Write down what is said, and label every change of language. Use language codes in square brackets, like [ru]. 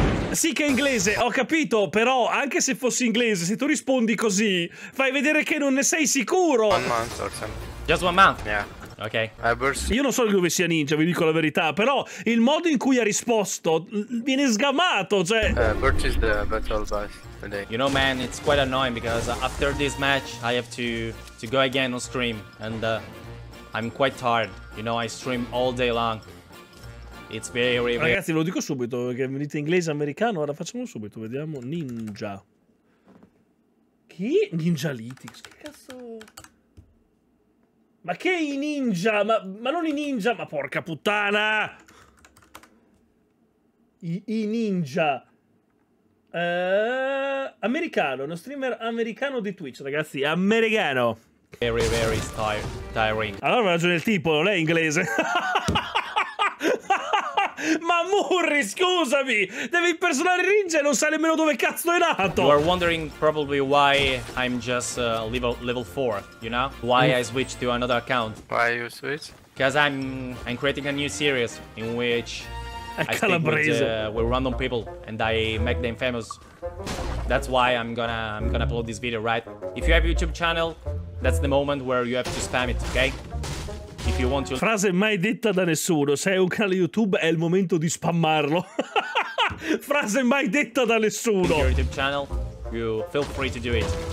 [it] Sì che è inglese, ho capito, però anche se fossi inglese, se tu rispondi così, fai vedere che non ne sei sicuro. [en] 1 month or something. Just 1 month? Yeah. Ok. [it] Io non so dove sia Ninja, vi dico la verità, però il modo in cui ha risposto viene sgamato, cioè... [en] Birch is the battle bus today. You know man, it's quite annoying because after this match I have to go again on stream and I'm quite tired, you know, I stream all day long. It's very, very... [it] Ragazzi, ve lo dico subito, che venite inglese americano, ora facciamo subito, vediamo Ninja. Chi? Ninjalytics, che cazzo? Ma che i Ninja? Ma non i Ninja, ma porca puttana! I Ninja. Americano, uno streamer americano di Twitch, ragazzi, americano. [en] Very, very tiring. [it] Allora ha ragione il tipo, non è inglese. Ma Murri, scusami! Devi impersonare Ninja e non sai nemmeno dove cazzo è nato! [en] You are wondering probably why I'm just level 4, you know? Why I switched to another account. Why you switch? Because I'm creating a new series in which I Calabrese. Stick with random people and I make them famous. That's why I'm gonna upload this video, right? If you have a YouTube channel, that's the moment where you have to spam it, okay? If you want to... [it] Frase mai detta da nessuno. Se hai un canale YouTube è il momento di spammarlo. Frase mai detta da nessuno. [en] Your YouTube channel, you feel free to do it.